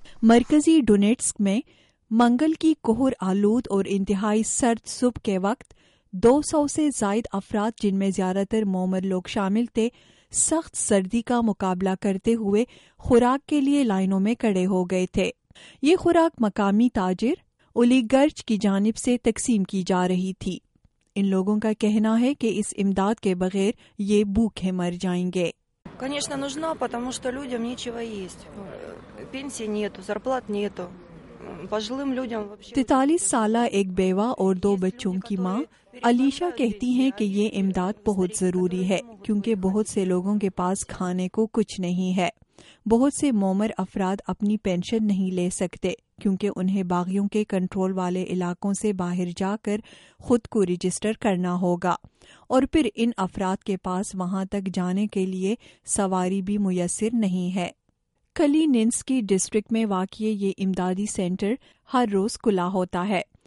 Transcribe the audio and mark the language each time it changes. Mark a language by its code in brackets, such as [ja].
[ur] مرکزی ڈونیٹسک میں منگل کی کوہر آلود اور انتہائی سرد صبح کے وقت 200 سے زائد افراد، جن میں زیادہ تر مومر لوگ شامل تھے، سخت سردی کا مقابلہ کرتے ہوئے خوراک کے لیے لائنوں میں کھڑے ہو گئے تھے۔ یہ خوراک مقامی تاجر اولیگرچ کی جانب سے تقسیم کی جا رہی تھی۔ ان لوگوں کا کہنا ہے کہ اس امداد کے بغیر یہ بھوکے مر جائیں گے۔ [ru] конечно нужно потому что людям нечего есть пенсии нету зарплат нету пожилым людям вообще [ur] 43 سالہ ایک بیوہ اور 2 بچوں کی ماں علیشا کہتی ہیں کہ یہ امداد بہت ضروری ہے، کیونکہ بہت سے لوگوں کے پاس کھانے کو کچھ نہیں ہے۔ بہت سے مومر افراد اپنی پینشن نہیں لے سکتے کیونکہ انہیں باغیوں کے کنٹرول والے علاقوں سے باہر جا کر خود کو رجسٹر کرنا ہوگا، اور پھر ان افراد کے پاس وہاں تک جانے کے لیے سواری بھی میسر نہیں ہے۔ کلی ننس کی ڈسٹرکٹ میں واقع یہ امدادی سینٹر ہر روز کھلا ہوتا ہے،